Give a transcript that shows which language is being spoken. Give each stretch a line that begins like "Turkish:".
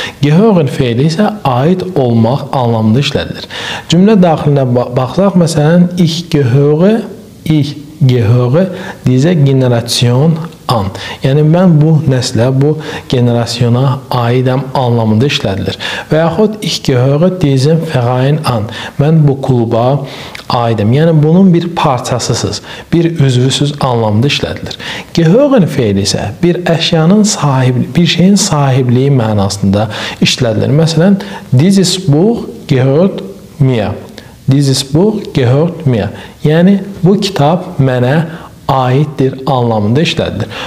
Azerbaijani: Gehören feili isə aid olmaq anlamında işlədilir. Cümlə daxilində baxsaq, məsələn,
German: ich gehöre dieser Generation an.
Azerbaijani: Yəni, mən bu nəslə, bu generasiyona aidəm anlamında işlədilir. Və yaxud
German: ich gehöre diesem Verein an.
Azerbaijani: Mən bu kluba aidəm. Yəni, bunun bir parçasısız, bir üzvüsüz anlamında işlədilir. Gehören feili isə bir əşyanın sahibi, bir şeyin sahibliyi mənasında işlədilir.
German: Məsələn, dieses Buch gehört mir. Dieses Buch gehört mir.
Azerbaijani: Yəni, bu kitab mənə aiddir anlamında işlədilir.